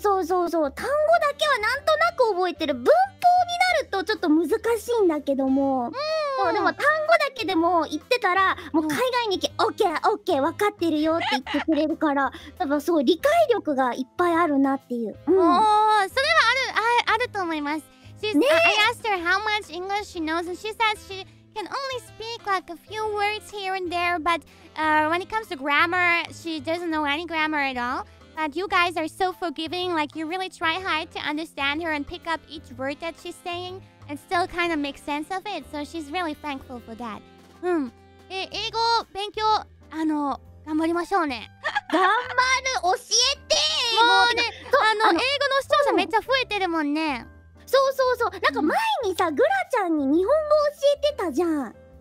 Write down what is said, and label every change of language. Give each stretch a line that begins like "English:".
Japanese: そう単語だけはなんとなく覚えてる、文法になるとちょっと難しいんだけども、うん、そう、でも単語だけでも言ってたらもう海外に行き、うん、オッケー分かってるよって言ってくれるから多分すごい理解力がいっぱいあるなっていう、うん、おー、それはあると思います。
English: She's,、ね、I asked her how much English she knows and she says sheCan only speak like a few words here and there, but when it comes to grammar, she doesn't know any grammar at all. But you guys are so forgiving, like you really try hard to understand her and pick up each word that she's saying and still kind of make sense of it. So she's really thankful for that. うん。
Japanese: 英語勉強、頑張りましょうね。頑張る、教えて。もうね、英語の視聴者めっちゃ増えてるもんね。そうなんか前にさ、うん、グラちゃんに日本語教えてたじゃん。